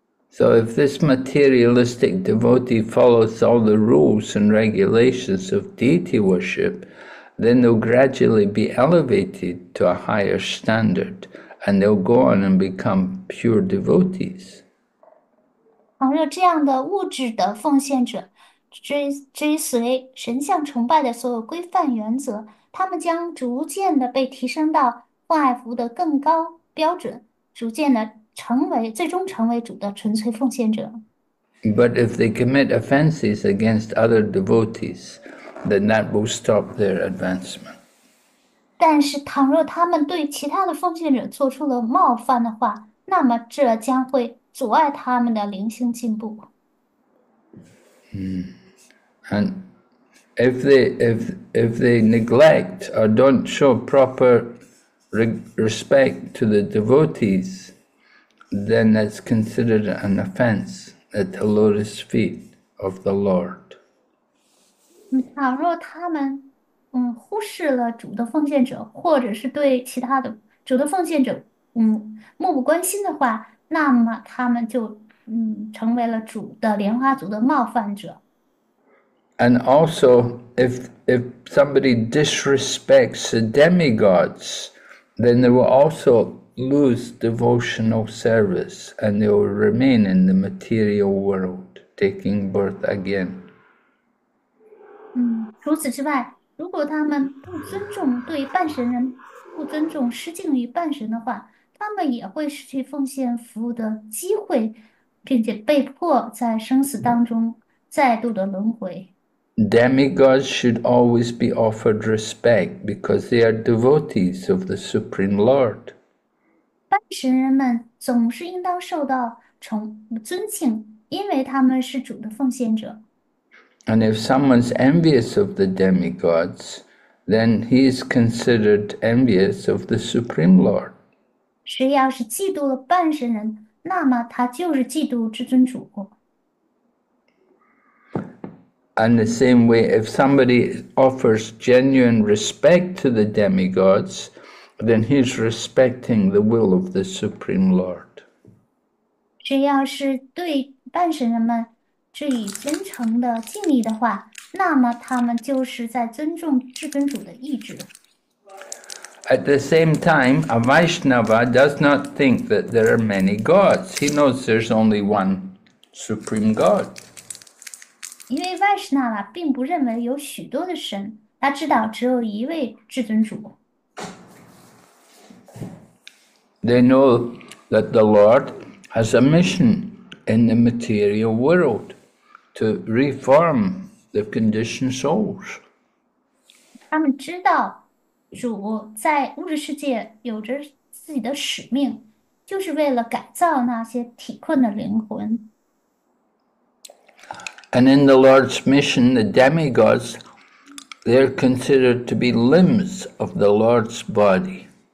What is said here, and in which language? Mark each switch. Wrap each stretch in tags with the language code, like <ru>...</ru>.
<en>So if this materialistic devotee follows all the rules and regulations of deity worship, then they'll gradually be elevated to a higher standard. And they'll go on and become pure devotees.</en> <zh>倘若这样的物质的奉献者追随神像崇拜的所有规范原则，他们将逐渐的被提升到奉爱服务的更高标准，逐渐的成为，最终成为主的纯粹奉献者。</zh> <en>But if they commit offenses against other devotees, then that will stop their advancement.</en> <zh>但是，倘若他们对其他的奉献者做出了冒犯的话，那么这将会阻碍他们的灵性进步。</zh> <en>And if they neglect or don't show proper respect to the devotees, then that's considered an offense at the lotus feet of the Lord.</en> <zh>倘若他们忽视了主的奉献者，或者是对其他的主的奉献者漠不关心的话，那么他们就成为了主的莲花族的冒犯者。</zh> <en>And also, if somebody disrespects the demigods, then they will also lose devotional service and they will remain in the material world, taking birth again.</en> <zh>除此之外，如果他们不尊重对半神人，不尊重失敬于半神的话，他们也会失去奉献服务的机会，并且被迫在生死当中再度的轮回。</zh> <en>Demigods should always be offered respect because they are devotees of the Supreme Lord.</en> <zh>半神人们总是应当受到尊敬，因为他们是主的奉献者。</zh> <en>And if someone's envious of the demigods, then he is considered envious of the Supreme Lord.</en> <zh>谁要是嫉妒了半神人，那么他就是嫉妒至尊主。</zh> <en>And the same way, if somebody offers genuine respect to the demigods, then he's respecting the will of the Supreme Lord.</en> <zh>谁要是对半神人们致以真诚的敬意的话，那么他们就是在尊重至尊主的意志。</zh> <en>At the same time, a Vaishnava does not think that there are many gods. He knows there's only one Supreme God.</en> <zh>因为 Vaishnava 并不认为有许多的神，他知道只有一位至尊主。</zh> <en>They know that the Lord has a mission in the material world to reform the conditioned souls.</en> <zh>他们知道主在物质世界有着自己的使命，就是为了改造那些体困的灵魂。</zh> <en>And in the Lord's mission, the demigods, they're considered to be limbs of the Lord's body.</en>